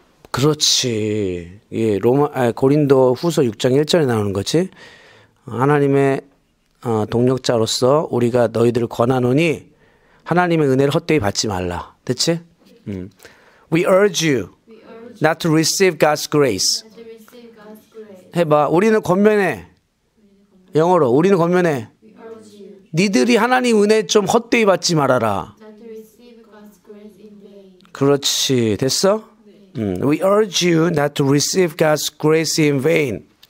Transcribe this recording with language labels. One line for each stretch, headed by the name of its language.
Korean: 그렇지. 예, 고린도 후서 6장 1절에 나오는 거지. 하나님의 동역자로서 우리가 너희들을 권하노니 하나님의 은혜를 헛되이 받지 말라. 됐지?
English: We urge you not to receive God's grace.
Korean: 해봐. 우리는 권면해. 영어로. 우리는 권면해. 니들이 하나님 은혜 좀 헛되이 받지 말아라. 그렇지. 됐어?
English: We urge you not to receive God's grace in vain.